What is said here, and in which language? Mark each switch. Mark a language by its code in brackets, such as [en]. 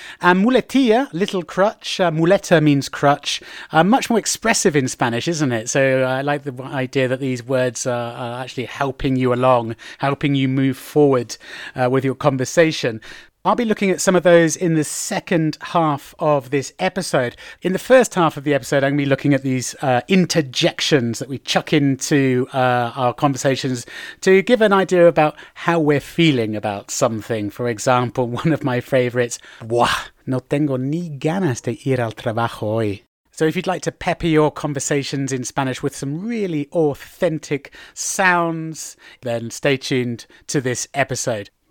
[en] Muletilla, little crutch, muleta means crutch, much more expressive in Spanish, isn't it? So I like the idea that these words are actually helping you along, helping you move forward with your conversation. I'll be looking at some of those in the second half of this episode. In the first half of the episode, I'm going to be looking at these interjections that we chuck into our conversations to give an idea about how we're feeling about something. For example, one of my favorites, [es] buah, no tengo ni ganas de ir al trabajo hoy. [en] So if you'd like to pepper your conversations in Spanish with some really authentic sounds, then stay tuned to this episode.